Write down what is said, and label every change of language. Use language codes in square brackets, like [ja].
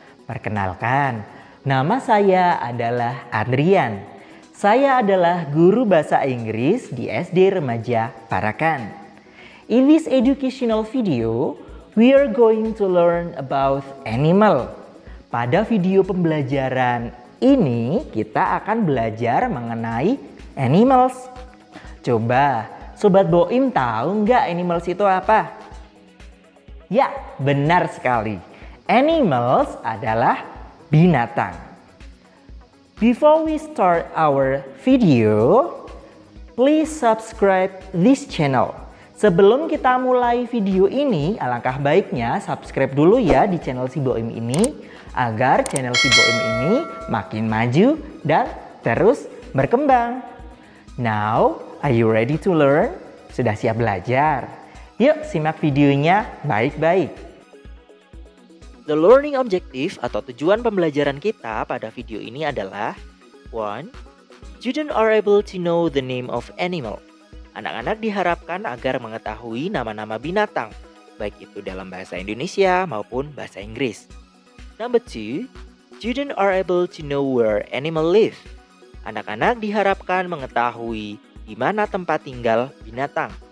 [id] Perkenalkan, nama saya adalah Adrian. Saya adalah guru bahasa Inggris di SD Remaja Parakan. [en] In this educational video, we are going to learn about animal. [id] Pada video pembelajaran ini, kita akan belajar mengenai animals. Coba, Sobat Boim tahu nggak animals itu apa? Ya, benar sekali. Animals adalah binatang. [en] Before we start our video, please subscribe this channel. [id] Sebelum kita mulai video ini, alangkah baiknya subscribe dulu ya di channel Siboim ini, agar channel Siboim ini makin maju dan terus berkembang. [en] Now, are you ready to learn? [id] Sudah siap belajar? Yuk, simak videonya baik-baik. [en] The learning objective [id] atau tujuan pembelajaran kita pada video ini adalah 1. [en] Students are able to know the name of animal. [id] Anak-anak diharapkan agar mengetahui nama-nama binatang, baik itu dalam bahasa Indonesia maupun bahasa Inggris. [en] Number 2, students are able to know where animal live. [id] Anak-anak diharapkan mengetahui di mana tempat tinggal binatang.